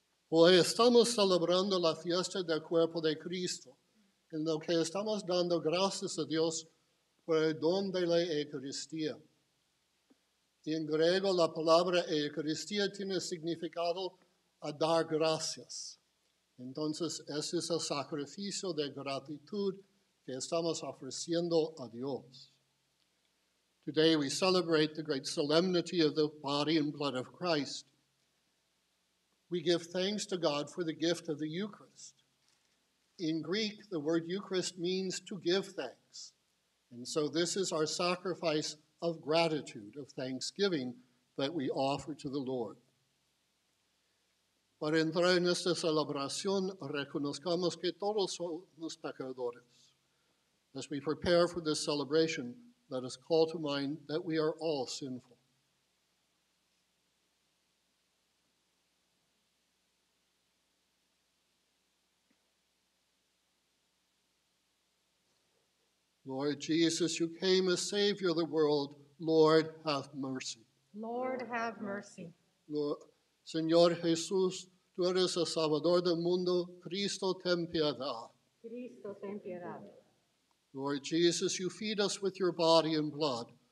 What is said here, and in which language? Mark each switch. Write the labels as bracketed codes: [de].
[es] Hoy estamos celebrando la fiesta del Cuerpo de Cristo, en lo que estamos dando gracias a Dios por el don de la Eucaristía. En griego, la palabra Eucaristía tiene significado a dar gracias. Entonces, ese es el sacrificio de gratitud que estamos ofreciendo a Dios. [en] Today we celebrate the great solemnity of the body and blood of Christ. We give thanks to God for the gift of the Eucharist. In Greek, the word Eucharist means to give thanks. And so this is our sacrifice of gratitude, of thanksgiving, that we offer to the Lord. [es] Para entrar en esta celebración, reconozcamos que todos somos pecadores. [en] As we prepare for this celebration, let us call to mind that we are all sinful. Lord Jesus, you came as Savior of the world. Lord, have mercy. Lord, have mercy. [es] Lord, Señor Jesús, tú eres el Salvador del mundo. Cristo, ten piedad. Cristo, ten piedad. [en] Lord Jesus, you feed us with your body and blood.